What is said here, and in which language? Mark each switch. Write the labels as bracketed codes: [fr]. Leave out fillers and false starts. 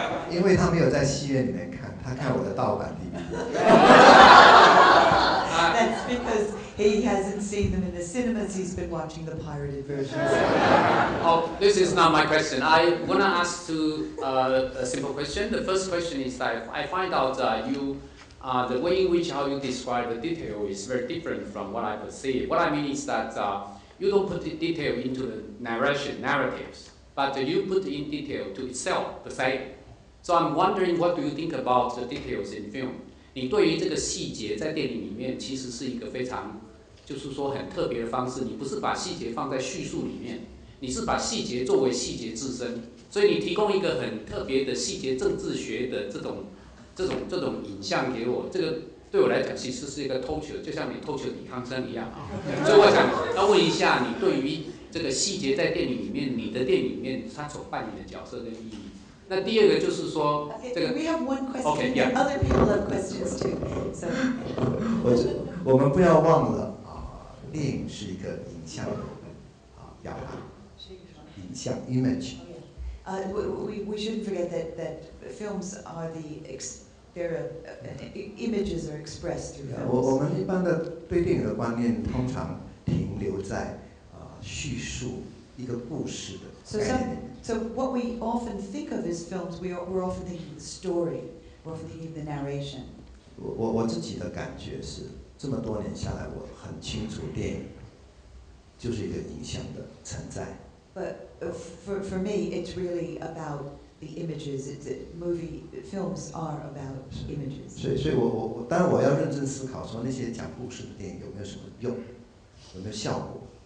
[zh] 因为他没有在戏院里面看，他看我的盗版 DVD。 [en] That's because he hasn't seen them in the cinemas. He's been watching the pirated versions. Oh, this is not my question. I want to ask to a simple question. The first question is that I find out you. The way in which how you describe the detail is very different from what I perceive. What I mean is that you don't put the detail into the narratives, but you put in detail to itself, the same. So I'm wondering what do you think about the details in film? [zh] 你对于这个细节在电影里面其实是一个非常，就是说很特别的方式。你不是把细节放在叙述里面，你是把细节作为细节自身。所以你提供一个很特别的细节政治学的这种影像给我，这个对我来讲其实是一个偷球，就像你偷球李康生一样啊。所以我想要问一下，你对于这个细节在电影里面，你的电影里面他所扮演的角色跟意义。那第二个就是说， [en] okay, [zh] 这个 [en] we have one question. Okay, yeah. Other people have questions too. So, [zh] 我们不要忘了啊，电影是一个影像啊，表达影像 image. [en] We shouldn't forget that films are the images are expressed through films. [zh] 我们一般的对电影的观念通常停留在叙述一个故事的概念。 [en] So what we often think of as films, we're often thinking the story, we're often thinking the narration. [zh] 我自己的感觉是，这么多年下来，我很清楚电影就是一个影像的存在。 [en] But for me, it's really about the images. It's films are about images. [zh] 所以我当然我要认真思考说那些讲故事的电影有没有什么用，有没有效果？